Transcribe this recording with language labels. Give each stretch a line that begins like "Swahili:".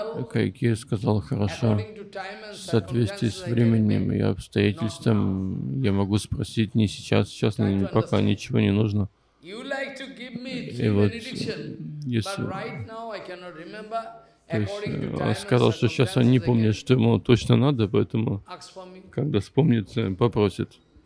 Russian: Кайкея сказал, хорошо, в соответствии с временем и обстоятельствам, я могу спросить не сейчас, сейчас, пока ничего не нужно.
English: You like to give me three benedictions, but right now I cannot remember according to time and circumstances.
Russian: Что ему точно надо, поэтому когда вспомнится, попросит.